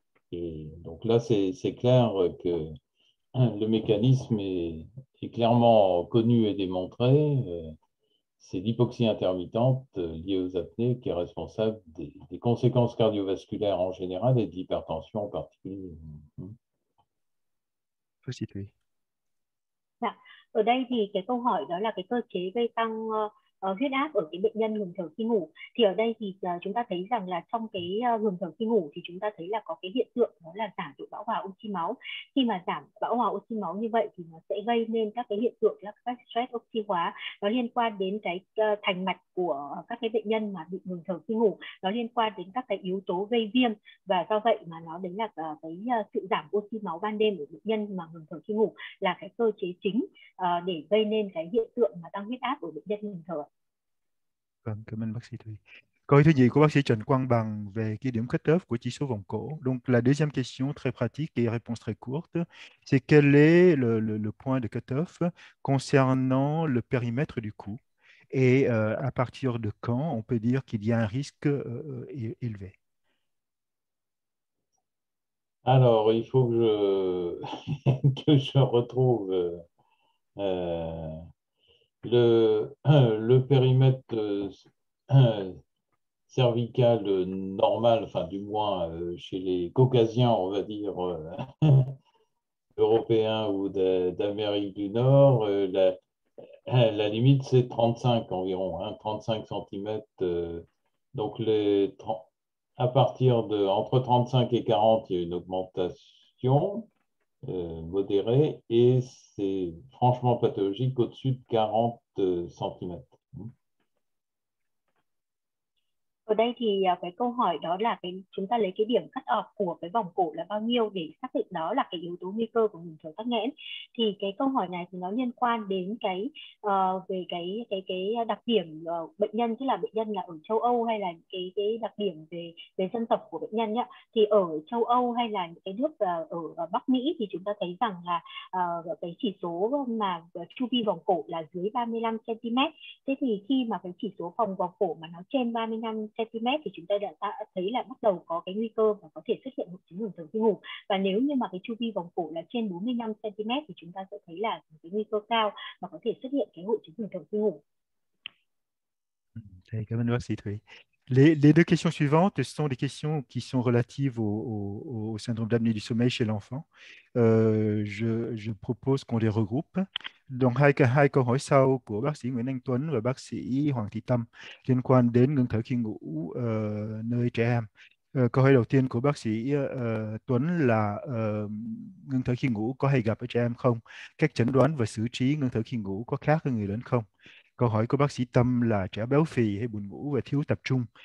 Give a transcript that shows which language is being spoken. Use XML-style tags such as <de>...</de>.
<fr>Et donc là, c'est clair que le mécanisme est clairement connu et démontré. C'est l'hypoxie intermittente liée aux apnées qui est responsable des conséquences cardiovasculaires en général et de l'hypertension en particulier.</fr> <vi>Dạ. Ở đây thì cái câu hỏi đó là cái cơ chế gây tăng huyết áp ở cái bệnh nhân ngừng thở khi ngủ. Thì ở đây thì chúng ta thấy rằng là trong cái ngừng thở khi ngủ thì chúng ta thấy là có cái hiện tượng đó là giảm độ bão hòa oxy máu. Khi mà giảm bão hòa oxy máu như vậy thì nó sẽ gây nên các cái hiện tượng là các stress oxy hóa, nó liên quan đến cái thành mạch của các cái bệnh nhân mà bị ngừng thở khi ngủ, nó liên quan đến các cái yếu tố gây viêm, và do vậy mà nó đến là cái sự giảm oxy máu ban đêm của bệnh nhân mà ngừng thở khi ngủ là cái cơ chế chính để gây nên cái hiện tượng mà tăng huyết áp của bệnh nhân ngừng thở. Vâng, cảm ơn bác sĩ Thùy. Câu hỏi thứ nhì của bác sĩ Trần Quang Bằng về cái điểm cut-off của chỉ số vòng cổ.</vi> <fr>Donc, la deuxième question très pratique et réponse très courte, c'est quel est le point de cut-off concernant le périmètre du cou et à partir de quand on peut dire qu'il y a un risque élevé? Alors, il faut que je retrouve le périmètre cervical normal, enfin du moins chez les Caucasiens, on va dire européens ou d'Amérique du Nord, la limite c'est 35 environ, hein, 35 cm. Donc les 30, à partir de entre 35 et 40, il y a une augmentation modérée, et c'est franchement pathologique au-dessus de 40 cm.</fr> <vi>Ở đây thì cái câu hỏi đó là cái chúng ta lấy cái điểm cut off của cái vòng cổ là bao nhiêu để xác định đó là cái yếu tố nguy cơ của ngừng thở tắc nghẽn. Thì cái câu hỏi này thì nó liên quan đến cái về cái đặc điểm bệnh nhân, tức là bệnh nhân là ở châu Âu hay là cái đặc điểm về về dân tộc của bệnh nhân nhá. Thì ở châu Âu hay là cái nước ở Bắc Mỹ thì chúng ta thấy rằng là cái chỉ số mà chu vi vòng cổ là dưới 35 cm. Thế thì khi mà cái chỉ số vòng vòng cổ mà nó trên 35 cm thì chúng ta đã thấy là bắt đầu có cái nguy cơ và có thể xuất hiện hội chứng ngừng thở khi ngủ. Và nếu như mà cái chu vi vòng cổ là trên 45 cm thì chúng ta sẽ thấy là cái nguy cơ cao và có thể xuất hiện cái hội chứng ngừng thở khi ngủ. Cảm ơn bác sĩ Thuy.</vi> <fr>Les deux questions suivantes sont des questions qui sont relatives au syndrome d'apnée du sommeil chez l'enfant. Je propose qu'on les regroupe.</fr> <vi>Donc, hai câu hỏi sau của bác sĩ Nguyễn Anh Tuấn và bác sĩ Hoàng Thị Tâm liên quan đến ngừng thở khi ngủ nơi trẻ em. Câu hỏi đầu tiên của bác sĩ Tuấn là ngừng thở khi ngủ có hay gặp ở trẻ em không? Cách chẩn đoán và xử trí ngừng thở khi ngủ có khác hơn người lớn không? Câu hỏi của bác sĩ Tâm là trẻ béo phì hay buồn ngủ và thiếu tập trung.</vi>